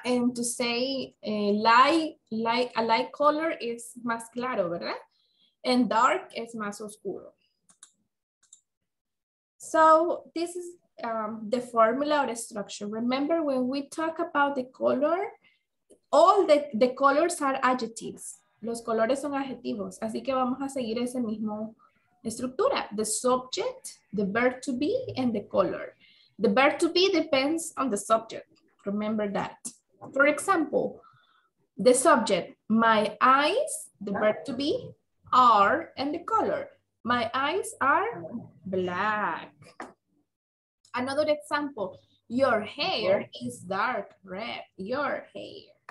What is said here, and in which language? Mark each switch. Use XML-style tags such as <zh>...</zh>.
<en>And to say a light color is</en> <es>más claro, ¿verdad?</es> <en>And dark is</en> <es>más oscuro.</es> <en>So this is the formula or the structure. Remember, when we talk about the color, all the colors are adjectives.</en> <es>Los colores son adjetivos. Así que vamos a seguir esa misma estructura.</es> <en>The subject, the verb to be, and the color. The verb to be depends on the subject. Remember that. For example, the subject, my eyes, the verb to be, are, and the color. My eyes are black. Another example, your hair is dark red, your hair.</en>